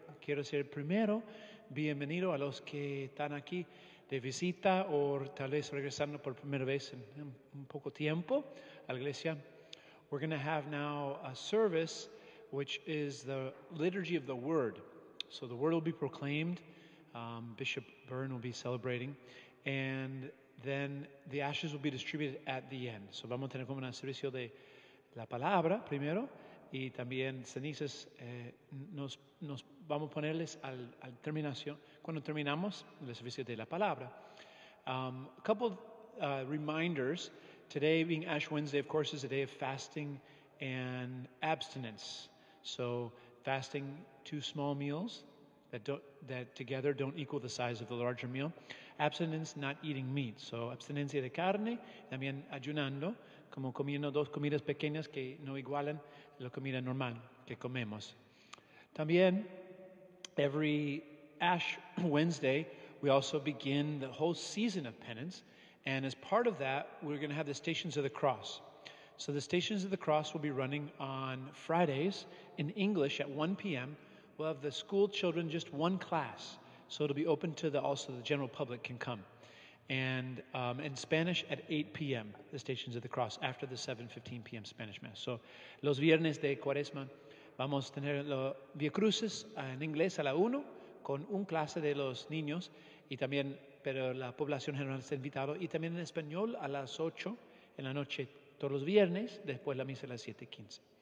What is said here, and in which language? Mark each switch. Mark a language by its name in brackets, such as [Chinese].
[Spanish] Quiero ser primero bienvenido a los que están aquí de visita o tal vez regresando por primera vez en un poco tiempo a la iglesia. [English] We're going to have now a service which is the liturgy of the word. So the word will be proclaimed. Bishop Byrne will be celebrating. And then the ashes will be distributed at the end. [Spanish] So vamos a tener como un servicio de la palabra primero. Y también cenizas, nos vamos a ponerles al terminación, cuando terminamos el servicio de la palabra. [English] A couple reminders. Today being Ash Wednesday, of course, is a day of fasting and abstinence. So fasting, two small meals that together don't equal the size of the larger meal. Abstinence, not eating meat. [Spanish] So abstinencia de carne, también ayunando, como comiendo dos comidas pequeñas que no igualan la comida normal que comemos. También, [English] every Ash Wednesday, we also begin the whole season of penance. And as part of that, we're going to have the Stations of the Cross. So the Stations of the Cross will be running on Fridays in English at 1 p.m. We'll have the school children, just one class. So it'll be open to the general public can come. And in Spanish at 8 p.m., the Stations of the Cross, after the 7:15 p.m. Spanish Mass. [Spanish] So, los viernes de cuaresma, vamos a tener los Via Crucis en inglés a la 1, con un clase de los niños, y también, pero la población general está invitada, y también en español a las 8 en la noche, todos los viernes, después la misa a las 7:15.